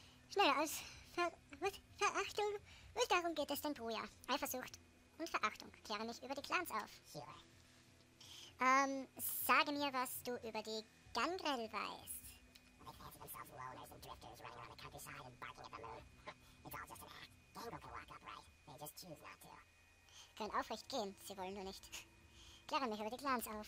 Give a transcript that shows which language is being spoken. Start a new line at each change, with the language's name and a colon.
German: Schneller als Verachtung. Und darum geht es den Bruja. Eifersucht und Verachtung. Kehre mich über die Clans auf. Sage mir, was du über die Gangrel weißt.
English: They fancy themselves loners and drifters running around the countryside and barking at the moon. It's all just an act. Gangrel can walk upright. They just choose not to.
German: Können aufrecht gehen, sie wollen nur nicht. Kläre mich über die Clans auf.